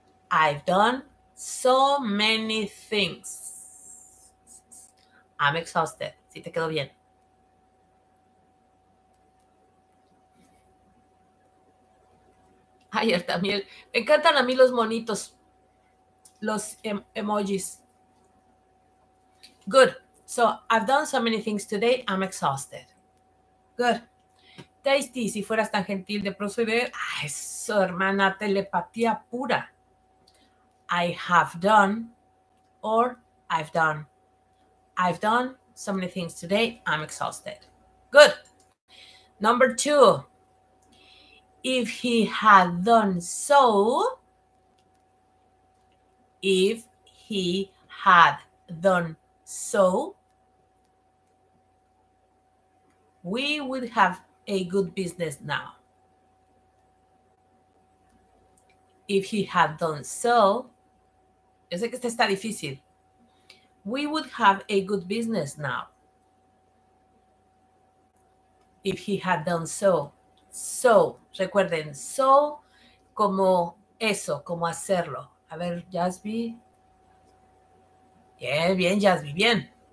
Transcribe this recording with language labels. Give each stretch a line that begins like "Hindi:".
English: I've done so many things. I'm exhausted.
Spanish: Si te quedó bien. Ayer también. Me encantan a mí los monitos. Los emojis. Good.
English: So, I've done so many things today, I'm exhausted. Good.
Spanish: Tasty, si fueras tan gentil de proceder. Ay, eso, hermana, telepatía pura.
English: I have done or I've done. I've done so many things today, I'm exhausted. Good. Number two. If he had done so, if he had done so, we would have a good business now. If he had done so,
Spanish: yo sé que este está difícil.
English: We would have a good business now. If he had done so.
Spanish: So, recuerden, so como eso, como hacerlo. A ver, Jasby. Bien, bien, Jasby, bien.